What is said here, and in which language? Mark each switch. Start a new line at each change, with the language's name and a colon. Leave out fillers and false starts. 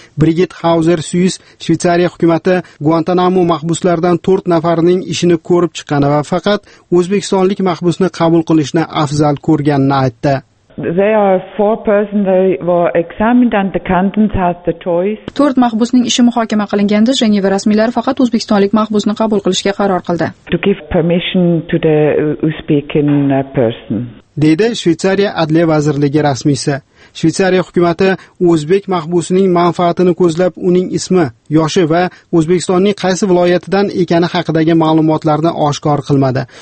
Uzbek: Brigit Hauser Suis Shvetsiya hukumati Guantanamo mahbuslaridan 4 nafarining ishini ko'rib chiqqani va faqat o'zbekistonlik mahbusni qabul qilishni afzal ko'rganini aytdi.
English: They are 4 persons that were examined and the cantons has the choice.
Uzbek: 4 mahbusning ishi muhokama qilinganda Jeneva rasmiylari faqat o'zbekistonlik mahbusni qabul qilishga qaror qildi.
English: To give permission to the Uzbekin person.
Uzbek: Deydi Shvetsiya adliya vazirligi rasmiysi. Shvetsiya hukumati o'zbek mahbusining manfaatini ko'zlab uning ismi, yoshi va O'zbekistonning qaysi viloyatidan ekani haqidagi ma'lumotlarni oshkor qilmadi.